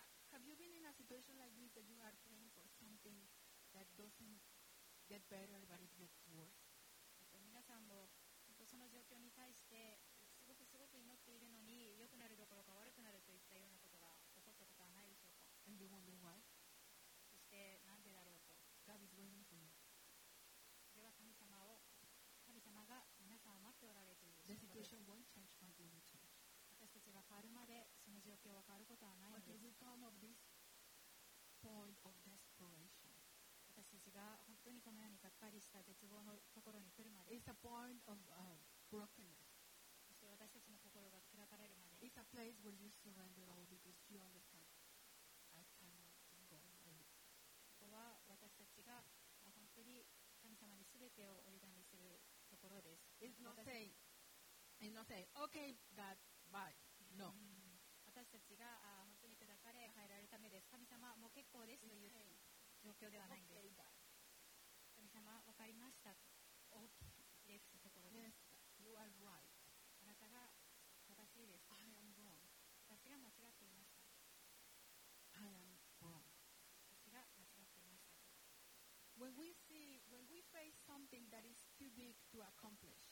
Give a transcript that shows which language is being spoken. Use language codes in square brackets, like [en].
[en] Situation like this, that you are praying for something that doesn't get better, but it gets worse. [ja] 皆さんも本当その状況に対してすごくすごく祈っているのに良くなるどころか悪くなるといったようなことが起こったことはないでしょうか。 [en] And you wonder why? [ja] そしてなんでだろうと。 [en] God is waiting for you. [ja] それは神様が皆さんを待っておられているということです。 [en] The situation won't change until you change. [ja] 私たちが変わるまでその状況は変わることはないのです。 [en] But as we come of thisPoint of desperation. [ja] 私たちが本当にこのようにがっかりした絶望のところに来るまで、 [en] It's a point of, brokenness. [ja] そして私たちの心が砕かれるまで、 [en] It's a place where you surrender all because you understand, I cannot go on my own. [ja] ここは私たちが本当に神様に全てを折り紙するところです。 [en] It's not saying, okay, God, bye. No. [ja] 私たちが本当に砕かれ入られるためです。神様もう結構ですという状況ではないんです。神様分かりました。 [en] OK [ja] ですというところです。 [en] Yes, you are right. [ja] あなたが正しいです。 [en] I am wrong. [ja] 私が間違っていました。 [en] I am wrong. [ja] 私が間違っていました。 [en] When we face something that is too big to accomplish,